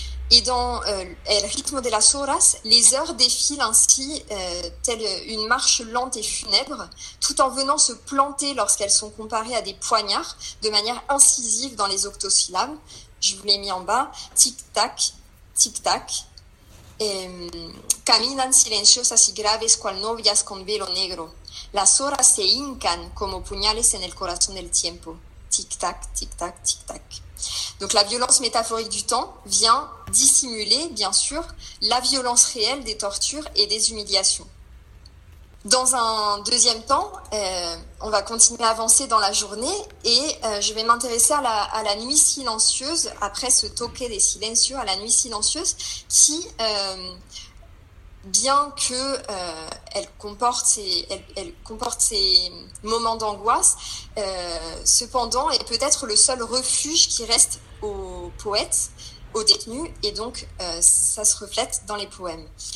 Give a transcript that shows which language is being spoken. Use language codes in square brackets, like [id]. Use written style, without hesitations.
[fr] Et dans El ritmo de las horas, les heures défilent ainsi, telle une marche lente et funèbre, tout en venant se planter lorsqu'elles sont comparées à des poignards, de manière incisive dans les octosyllabes. Je vous l'ai mis en bas. Tic-tac, tic-tac. [es] Caminan silenciosas y graves cual novias con velo negro. Las horas se hincan como puñales en el corazón del tiempo. Tic-tac, tic-tac, tic-tac. [fr] Donc la violence métaphorique du temps vient dissimuler, bien sûr, la violence réelle des tortures et des humiliations. Dans un deuxième temps, on va continuer à avancer dans la journée et je vais m'intéresser à la nuit silencieuse, après ce toque des silencieux, à la nuit silencieuse qui, bien que elle comporte ces moments d'angoisse, cependant est peut-être le seul refuge qui reste aux poètes, aux détenus, et donc ça se reflète dans les poèmes.